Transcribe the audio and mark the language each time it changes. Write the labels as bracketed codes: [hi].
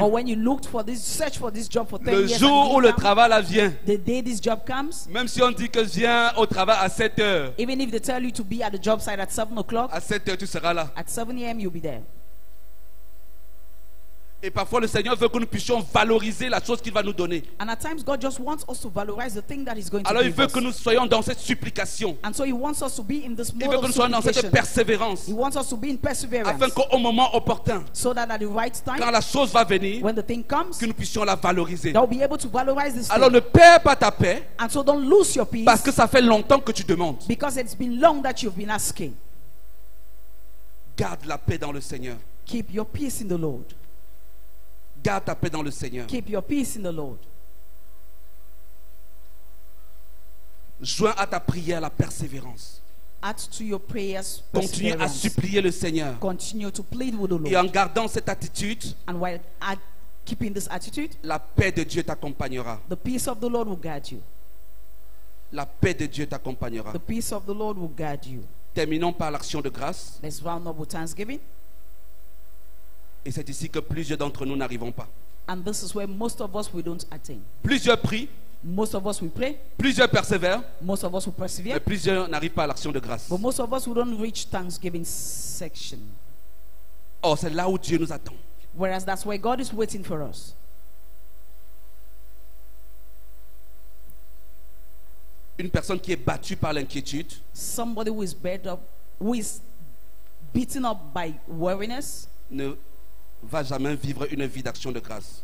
[en] Or when you looked for this, search for this job for 10 [fr] le [en] years. [fr] Le jour [en] and it [fr] où le travail là vient. [en] The day this job comes. [fr] Même si on dit que viens au travail à 7 heures. [en] Even if they tell you to be at the job site at 7 o'clock. [fr] À 7 heures tu seras là. [en] At 7 a.m. you'll be there. [fr] Et parfois le Seigneur veut que nous puissions valoriser la chose qu'il va nous donner. [en] And at times God just wants us to valorize the thing that he's going to [fr] alors [en] give [fr] il veut [en] us. [fr] Que nous soyons dans cette supplication. [en] And so he wants us to be in this mode [fr] il veut que nous soyons dans cette persévérance. [en] He wants us to be in perseverance. [fr] Afin qu'au moment opportun. [en] So that at the right time. [fr] Quand la chose va venir. [en] When the thing comes. [fr] Que nous puissions la valoriser. [en] That we'll be able to valorize this [fr] alors [en] thing. [fr] Ne perds pas ta paix. [en] And so don't lose your peace. [fr] Parce que ça fait longtemps que tu demandes. [en] Because it's been long that you've been asking. [fr] Garde la paix dans le Seigneur. [en] Keep your peace in the Lord. [fr] Garde ta paix dans le Seigneur. [en] Keep your peace in the Lord. [fr] Joins à ta prière la persévérance. [en] Add to your prayers. [fr] Continue à supplier le Seigneur. [en] Continue to plead with the Lord. [fr] Et en gardant cette attitude, [en] and while keeping this attitude, [fr] la paix de Dieu t'accompagnera. [en] The peace of the Lord will guide you. [fr] La paix de Dieu t'accompagnera. [en] The peace of the Lord will guide you. [fr] Terminons par l'action de grâce. [en] Let's round up with thanksgiving. [fr] Et c'est ici que plusieurs d'entre nous n'arrivons pas. [en] And this is where most of us we don't attain. [fr] Plusieurs prient. [en] Most of us we pray. [fr] Plusieurs persévèrent. [en] Most of us we persevere. [fr] Mais plusieurs n'arrivent pas à l'action de grâce. [en] But most of us we don't reach thanksgiving section. [fr] Or c'est là où Dieu nous attend. [en] Whereas that's where God is waiting for us. [fr] Une personne qui est battue par l'inquiétude. [en] Somebody who is bent up, who is beaten up by weariness. [fr] Ne va jamais vivre une vie d'action de grâce.